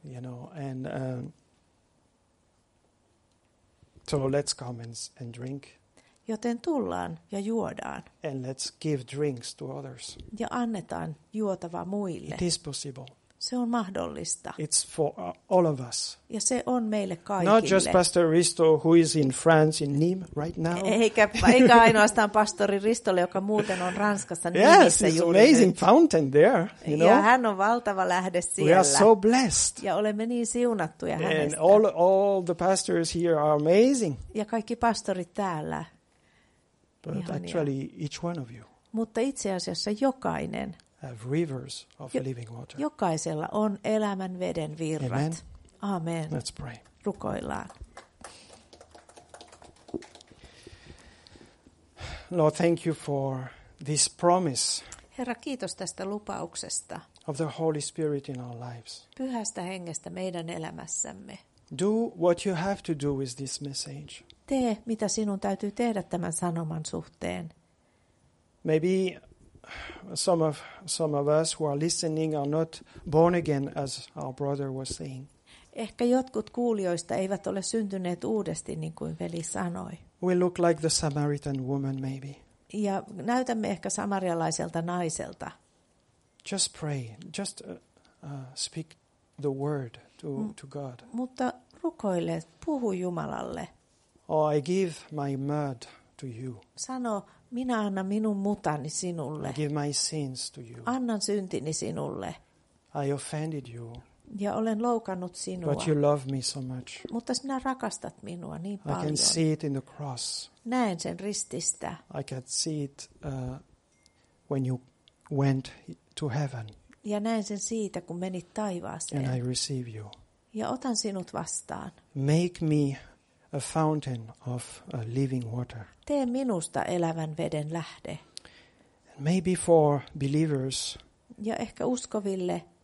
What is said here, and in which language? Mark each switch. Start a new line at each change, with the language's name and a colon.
English: You know, and so let's come and drink.
Finnish: Joten tullaan ja juodaan.
English: And let's give drinks to others.
Finnish: Ja annetaan juotava muille.
English: It is possible.
Finnish: Se on mahdollista.
English: It's for all of us.
Finnish: Ja se on meille kaikille.
English: Not just Pastor Risto who is in France in Nîmes right now.
Finnish: Eikä ainoastaan pastori Ristolle, joka muuten on Ranskassa Nîmessä juuri.
English: Yes, it's amazing fountain there, you know.
Finnish: Ja hän on valtava lähde siellä.
English: We are so blessed.
Finnish: Ja olemme niin siunattuja hänestä.
English: And all the pastors here are amazing.
Finnish: Ja kaikki pastorit täällä.
English: But
Finnish: ihania.
English: Actually each one of you.
Finnish: Mutta itse asiassa jokainen.
English: Have rivers of living water.
Finnish: Jokaisella on elämän veden virrat.
English: Amen.
Finnish: Amen.
English: Let's pray.
Finnish: Rukoillaan.
English: Lord, thank you for this promise.
Finnish: Herra, kiitos tästä lupauksesta.
English: Of the Holy Spirit in our lives.
Finnish: Pyhästä hengestä meidän elämässämme.
English: Do what you have to do with this message.
Finnish: Tee mitä sinun täytyy tehdä tämän sanoman suhteen.
English: Maybe some of us who are listening are not born again, as our brother was saying.
Finnish: Ehkä jotkut kuulijoista eivät ole syntyneet uudesti, niin kuin veli sanoi.
English: We look like the Samaritan woman, maybe.
Finnish: Ja näytämme ehkä samarialaiselta naiselta.
English: Just pray. Just speak the word to God.
Finnish: Mutta rukoile, puhu Jumalalle.
English: Oh, I give my mud to you.
Finnish: Sano. Minä annan minun mutani sinulle.
English: I give my sins to you.
Finnish: Annan syntini sinulle.
English: I offended you.
Finnish: Ja olen loukannut sinua.
English: But you love me so much.
Finnish: Mutta sinä rakastat minua niin paljon.
English: I can see it in the cross.
Finnish: Näen sen rististä.
English: I can see it when you went to heaven.
Finnish: Ja näen sen siitä, kun menit taivaaseen.
English: And I receive you.
Finnish: Ja otan sinut vastaan.
English: Make me a fountain of living water.
Finnish: Tee minusta elävän veden lähde.
English: Maybe for believers.
Finnish: Ja ehkä uskoville.